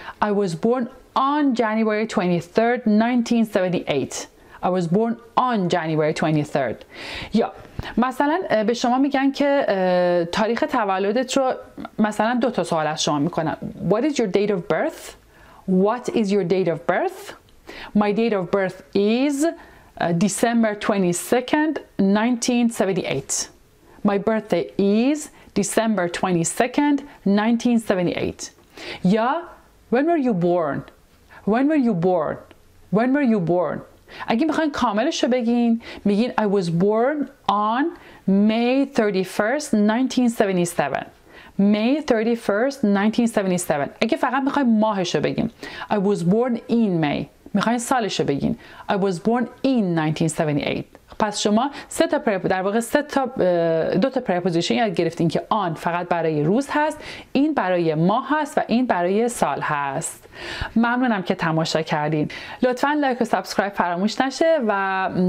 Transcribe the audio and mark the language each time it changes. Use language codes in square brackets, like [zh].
[en] I was born on January 23rd, 1978. I was born on January 23rd. [fa] یا مثلا به شما میگن که تاریخ تولدت رو، مثلا دو تا سوال از شما میکنن. [en] What is your date of birth? What is your date of birth? My date of birth is December 22nd, 1978. My birthday is December 22nd, 1978. Yeah, when were you born? When were you born? When were you born? [fa] اگه میخواین کاملش رو بگین، میگین [en] I was born on May 31st, 1977. May 31st, 1977. [fa] اگه فقط میخواییم ماهش رو بگیم، [en] I was born in May. [fa] میخواییم سالش رو بگین، [en] I was born in 1978. [fa] پس شما سه تا در واقع سه تا دو تا پرپوزیشن یاد گرفتین که آن فقط برای روز هست، این برای ماه هست و این برای سال هست. ممنونم که تماشا کردین. لطفاً لایک و سابسکرایب فراموش نشه و